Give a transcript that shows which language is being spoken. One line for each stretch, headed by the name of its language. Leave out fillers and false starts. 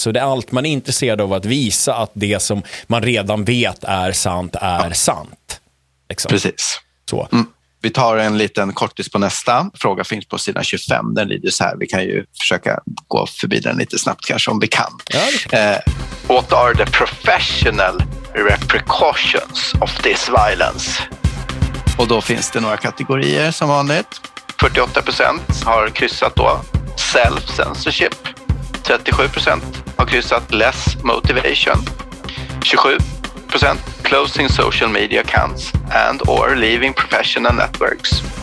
Swedish: Så det är allt man är intresserad av att visa att det som man redan vet är sant är sant. Liksom. Precis. Så. Vi tar en liten kortis på nästa. Fråga finns på sidan 25, den lyder så här. Vi kan ju försöka gå förbi den lite snabbt kanske om vi kan. Ja,
English: What are the professional repercussions of this violence?
Swedish: Och då finns det några kategorier som vanligt. 48% har kryssat då
English: self-censorship,
Swedish: 37% har kryssat
English: less motivation,
Swedish: 27%
English: closing social media accounts and or leaving professional networks,